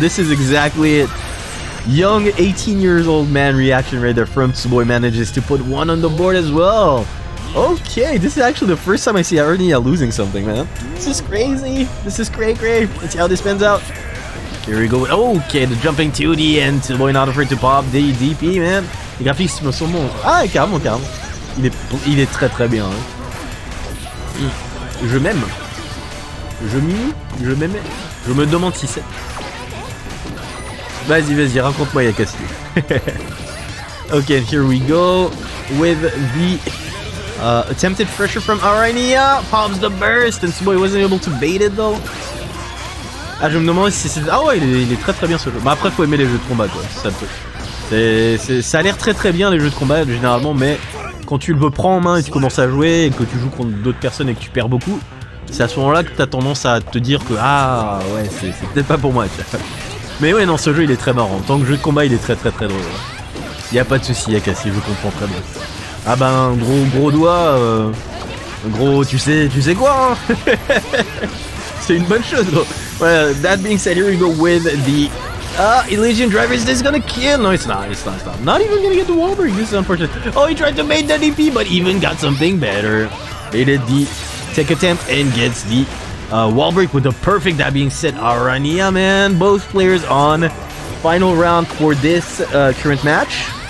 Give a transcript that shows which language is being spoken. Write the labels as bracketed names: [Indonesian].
[English] This is exactly it. Young 18-year-old man reaction right there from Tsuboi manages to put one on the board as well. Okay, this is actually the first time I see Aranea losing something, man. This is crazy. This is cray-cray. Let's see how this pans out. Here we go. Okay, the jumping 2D and Tsuboi not afraid to pop the DP, man. [French] Les graphismes sont bons. Ah, calme, calme. Il est très très bien. Hein. Je me demande si c'est... Vas-y, vas-y, raconte-moi, Yakasu. [English] Okay, and here we go with the attempted pressure from Aranea. Pops the burst, and Tsuboi wasn't able to bait it, though. [French] Ah, je me demande si c'est... Ah ouais, il est très très bien ce jeu. Mais après, faut aimer les jeux de combat, quoi. Ça peut. Ça a l'air très très bien, les jeux de combat, généralement, mais quand tu le prends en main et tu commences à jouer, et que tu joues contre d'autres personnes et que tu perds beaucoup, c'est à ce moment-là que t'as tendance à te dire que, ah, ouais, c'est peut-être pas pour moi, tu vois. Mais ouais, non, ce jeu, il est très marrant. En tant que jeu de combat, il est très très très drôle. Il y a pas de souci, Yakasi, je comprends très bien. Ah ben, gros gros doigt, gros, tu sais quoi, hein. C'est une bonne chose, gros. [English] Well, that being said, here we go with the... Illusion Driver, is this gonna kill? No, it's not. Not even gonna get the wall break. This is unfortunate. Oh, he tried to bait the DP, but even got something better. Baited the tech attempt and gets the wall break with the perfect. That being said, Aranea, man. Both players on final round for this current match.